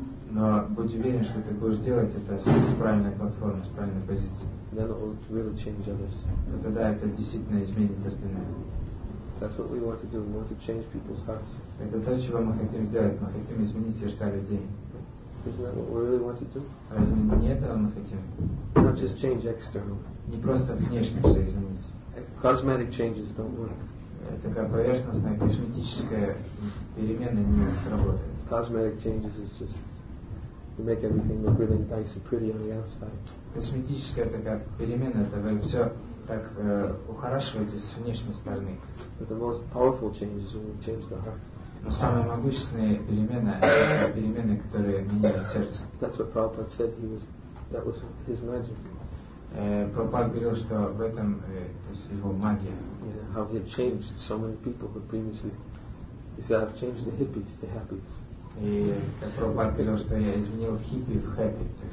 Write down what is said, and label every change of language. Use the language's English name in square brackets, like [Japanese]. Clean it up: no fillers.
[Russian] Но будь уверен, что ты будешь делать это с правильной платформы, с правильной позиции. [English] Then it will really change others. [Russian] То тогда это действительно изменит остальных. [English] That's what we want to do. We want to change people's hearts. [Russian] Это то, чего мы хотим сделать. Мы хотим изменить сердца людей. [English] Isn't that what we really want to do? [Russian] Разве не этого мы хотим? [English] Not just change external. [Russian] Не просто внешне все изменить. [English] Cosmetic changes don't work. [Russian] Такая поверхностная косметическая перемена не сработает. [English] Cosmetic changes is just to make everything look really nice and pretty on the outside. [Russian] Косметическая такая перемена, это вы все так ухорашиваете с внешней стороны. [English] But the most powerful changes will change the heart. [Russian] Но самые могущественные перемены это перемены, которые меняют сердце. [English] That's what Prabhupada said. He was, that was his magic. [Russian] Прабхупад говорил, что в этом то есть его магия. [English] Yeah, how he changed so many people who previously, he said, I've changed the hippies to happies. [Russian] И как Прабхупад говорил, что я изменил хиппи в хэппи.